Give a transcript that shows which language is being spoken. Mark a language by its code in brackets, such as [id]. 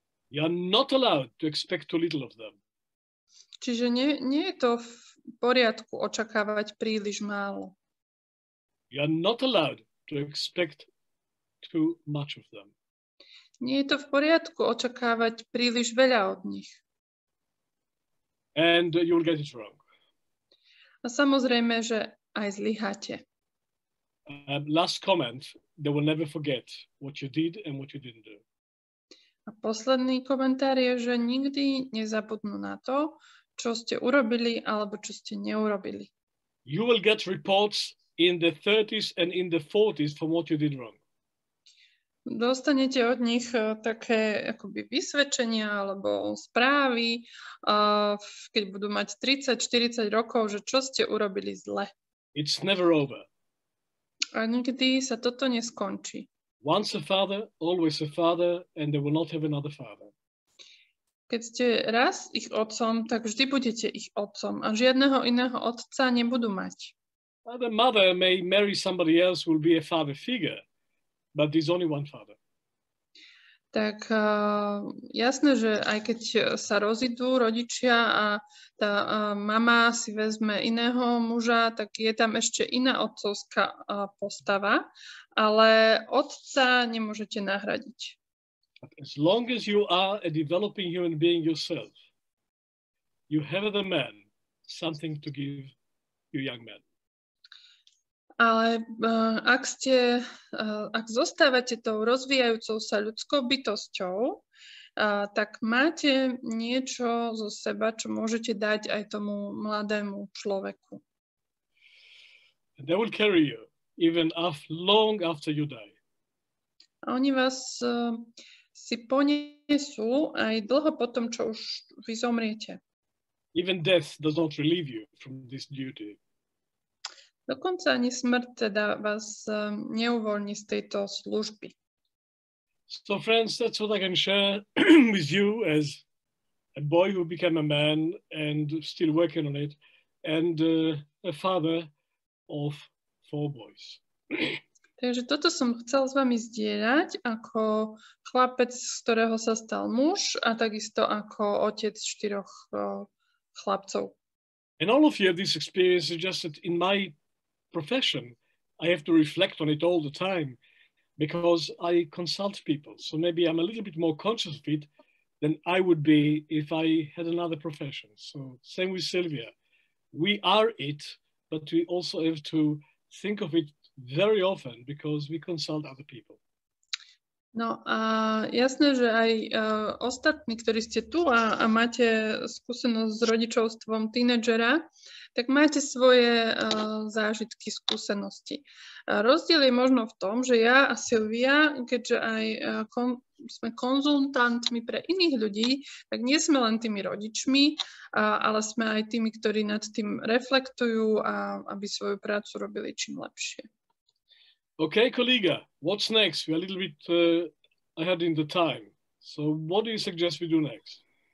[en] You are not allowed to expect too little of them. [sk] Čiže nie je to v poriadku očakávať príliš málo. [en] You are not allowed to expect too much of them. [sk] Nie je to v poriadku očakávať príliš veľa od nich. [en] And you will get it wrong. [sk] A samozrejme, že aj zlyháte. [en] Last comment, they will never forget what you did and what you didn't do. [sk] A posledný komentár je, že nikdy nezabudnú na to, čo ste urobili alebo čo ste neurobili. [en] You will get reports in the 30s and in the 40s from what you did wrong. [sk] Dostanete od nich také akoby vysvedčenia alebo správy, keď budú mať 30-40 rokov, že čo ste urobili zle. [en] It's never over. [sk] A nikdy sa toto neskončí. [en] Once a father, always a father, and they will not have another father. [sk] keď ste raz ich otcom, tak vždy budete ich otcom a žiadneho iného otca nebudú mať. [en] The mother may marry somebody else, will be a father figure, but there's only one father. [sk] Tak jasné, že aj keď sa rozídu rodičia a tá mama si vezme iného muža, tak je tam ešte iná otcovská postava, ale otca nemôžete nahradiť. [en] As long as you are a developing human being yourself, you have the man, something to give you young man. [sk] Ale ak ste, ak zostávate tou rozvíjajúcou sa ľudskou bytosťou, tak máte niečo zo seba, čo môžete dať aj tomu mladému človeku. [en] And they will carry you even after, long after you die. [sk] A oni vás si poniesú aj dlho po tom, čo už vy zomriete. [en] Even death does not relieve you from this duty. [sk] Dokonca ani smrť teda vás neuvoľní z tejto služby. [en] So friends, that's what I can share with you as a boy who became a man and still working on it and a father of four boys. [sk] Takže toto som chcel s vami zdieľať ako chlapec, z ktorého sa stal muž a takisto ako otec štyroch chlapcov. [en] And all of you have this experience just that in my profession, I have to reflect on it all the time because I consult people. So maybe I'm a little bit more conscious of it than I would be if I had another profession. So same with Silvia. We are it, but we also have to think of it very often because we consult other people. [sk] No a jasné, že aj ostatní, ktorí ste tu a máte skúsenosť s rodičovstvom tínedžera, tak máte svoje zážitky, skúsenosti. Rozdiel je možno v tom, že ja a Silvia, keďže aj sme konzultantmi pre iných ľudí, tak nie sme len tými rodičmi, ale sme aj tými, ktorí nad tým reflektujú, a aby svoju prácu robili čím lepšie. [en] Okay, colleague, what's next? We're a little bit ahead in the time. So what do you suggest we do next?